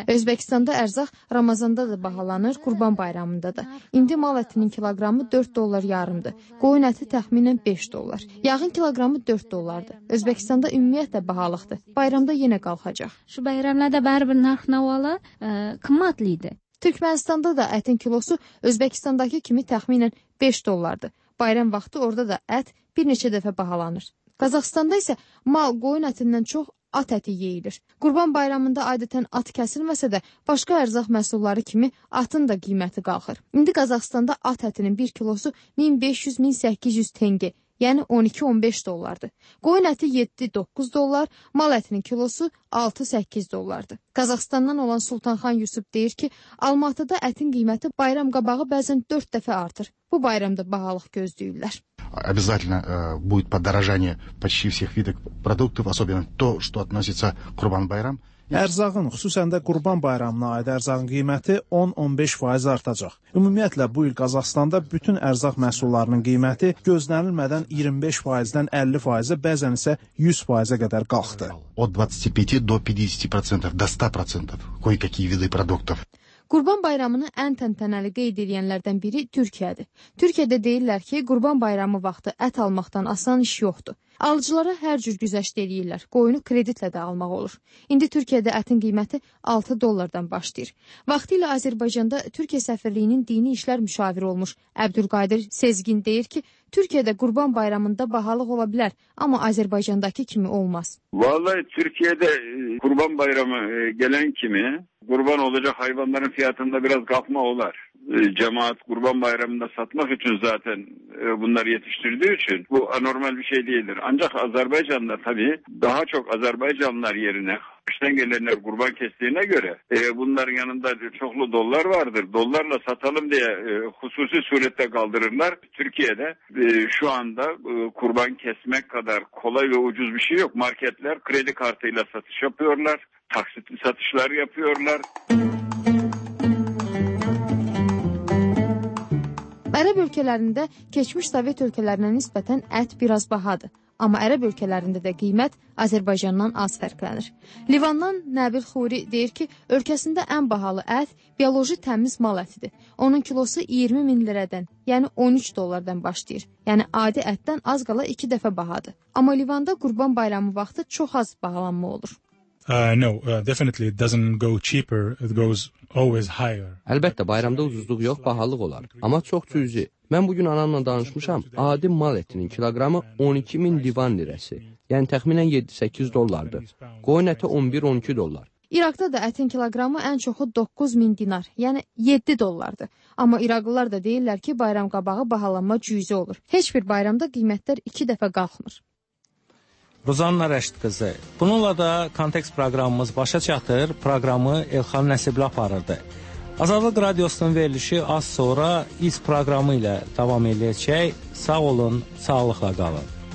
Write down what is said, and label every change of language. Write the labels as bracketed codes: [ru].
[az] Özbekistan'da ərzaq Ramazanda da bahalanır, Qurban bayramında da. İndi mal ətinin kiloqramı 4 dollar yarımdır. Qoyun əti təxminən 5 dollar. Yağın kiloqramı 4 dollardır. Özbekistan'da ümumiyyətlə bahalıqdır. Bayramda yenə qalxacaq. [uz] Şu bayramlar da bərbir narx navala qımmatlıydı. [az] Türkmenistan'da da ətin kilosu Özbekistan'daki kimi təxminən 5 dollardır. Bayram vaxtı orada da ət bir neçə dəfə bahalanır. Qazaxıstanda isə mal qoyun ətindən çox at əti yeyilir. Qurban bayramında adətən at kəsilməsə də başqa ərzaq məhsulları kimi atın da qiyməti qalxır. İndi Qazaxıstanda at ətinin bir kilosu 1500-1800 tengə, yəni 12-15 dollardır. Qoyun əti 7-9 dollar, mal ətinin kilosu 6-8 dollardır. Qazaxıstandan olan Sultanxan Yusuf deyir ki, Almatıda ətin qiyməti bayram qabağı bəzən 4 dəfə artır. Bu bayramda bahalıq gözləyirlər. [ru] Обязательно будет подорожание почти всех видов продуктов, особенно то, что относится к Курбан-байрам. [az] Ərzağın, xüsusən də Qurban bayramına aid ərzağın qiyməti 10-15% artacaq. Ümumiyyətlə, bu il Qazaxıstanda bütün ərzaq məhsullarının qiyməti gözlənilmədən 25%-dən 50%-ə, bəzən isə 100%-ə qədər qalxdı. [ru] От 25% до 50%, до 100% кое-какие виды продуктов. [az] Qurban bayramını ən təntənəli qeyd edənlərdən biri Türkiyədir. Türkiyədə deyirlər ki, Qurban bayramı vaxtı ət almaqdan asan iş yoxdur. Alıcılara hər cür güzəşt edirlər, qoyunu kreditlə də almaq olur. İndi Türkiyədə ətin qiyməti 6 dollardan başlayır. Vaxtı ilə Azərbaycanda Türkiyə səfirliyinin dini işlər müşaviri olmuş Əbdülqadir Sezgin deyir ki, Türkiyədə Qurban bayramında bahalıq ola bilər, amma Azərbaycandakı kimi olmaz. [tr] Vallahi Türkiyədə Qurban bayramı gələn kimi, qurban olacaq hayvanların fiyatında biraz qalxma olar. Cemaat Qurban bayramında satmak için zaten bunları yetiştirdiği için bu anormal bir şey değildir. Ancak Azerbaycan'da tabii daha çok Azerbaycanlılar yerine kıştan gelenler kurban kestiğine göre bunların yanında çoklu dolar vardır. Dolarla satalım diye hususi surette kaldırırlar. Türkiye'de şu anda kurban kesmek kadar kolay ve ucuz bir şey yok. Marketler kredi kartıyla satış yapıyorlar, taksitli satışlar yapıyorlar. [az] Ərəb ölkələrində keçmiş Sovet ölkələrinə nisbətən ət biraz bahadır. Amma Ərəb ölkələrində də qiymət Azərbaycandan az fərqlənir. Livandan Nəbil Xuri deyir ki, ölkəsində ən bahalı ət bioloji təmiz mal ətidir. Onun kilosu 20 min lirədən, yəni 13 dollardan başlayır. Yəni adi ətdən az qala 2 dəfə bahadır. Amma Livanda Qurban bayramı vaxtı çox az bahalanma olur. [en] Definitely it doesn't go cheaper, it goes always higher. [az] Əlbəttə, bayramda ucuzluq yox, bahalıq olar. Amma çox cüzi. Mən bugün anamla danışmışam, adi mal ətinin kiloqramı 12 min livan lirəsi. Yəni təxminən 7-8 dollardır. Qoyun əti 11-12 dollar. İraqda da ətin kiloqramı ən çoxu 9 min dinar, yəni 7 dollardır. Amma İraqlılar da deyirlər ki, bayram qabağı bahalanma cüzi olur. Heç bir bayramda qiymətlər 2 dəfə qalxmır. Ruzanna Rəşid qızı. Bununla da kontekst proqramımız başa çatır. Proqramı Elxan Nəsibli aparırdı. Azadlıq Radiosunun verilişi az sonra İZ proqramı ilə davam edəcək. Sağ olun, sağlıqla qalın.